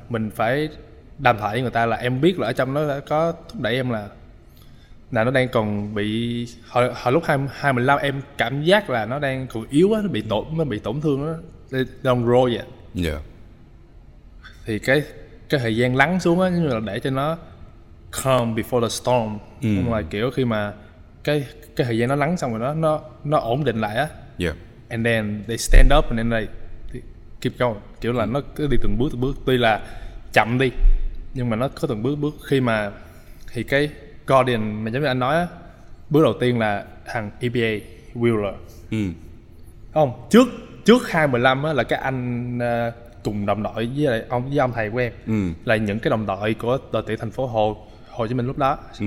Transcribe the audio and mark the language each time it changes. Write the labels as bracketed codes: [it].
[vi] Mình phải đàm thoại với người ta là em biết là ở trong nó có thúc đẩy em, là nó đang còn bị hồi lúc 25 em cảm giác là nó đang còn yếu á, nó bị tổn thương á, down road vậy. Thì cái thời gian lắng xuống á, như là để cho nó [en] calm before the storm. [vi] Nhưng mà kiểu khi mà cái thời gian nó lắng xong rồi nó ổn định lại á. [en] And then they stand up and then they keep going. [vi] Kiểu là nó cứ đi từng bước, tuy là chậm đi, nhưng mà nó có từng bước. Khi mà thì cái Guardian mà giống như anh nói á, bước đầu tiên là thằng EPA Wheeler. Không, trước 25 á là cái anh cùng đồng đội với ông thầy của em, là những cái đồng đội của đội tuyển thành phố Hồ Chí Minh lúc đó.